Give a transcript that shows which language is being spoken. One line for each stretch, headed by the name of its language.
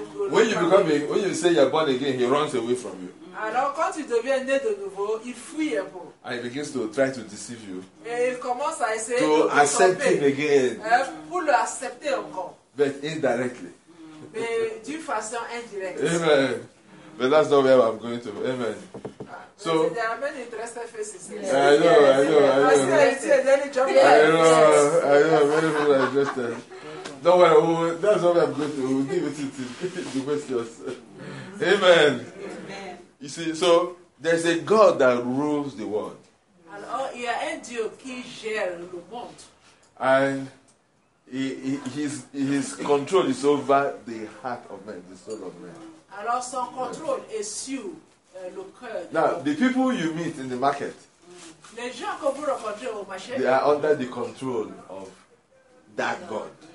English: When you say you're born again, he runs away from you.
French: Alors, quand tu deviens né de nouveau, il fuit un peu.
English: And he begins to try to deceive you.
French: Et il commence à essayer
English: to accept him again.
French: Pour le accepter encore.
English: But indirectly.
French: Mais d'une façon indirecte.
English: Amen. But that's not where I'm going to. Amen. So. I know. Don't worry. That's not where I'm going to. We'll give it to the questions. Amen. You see, so there's a God that rules the world.
French: Alors, il y a un Dieu qui gère le monde.
English: And his control is over the heart of man, the soul of man.
French: Alors, son control est sur le cœur.
English: Now, the people you meet in the market,
French: les gens que vous rencontrez au marché,
English: they are under the control of that God.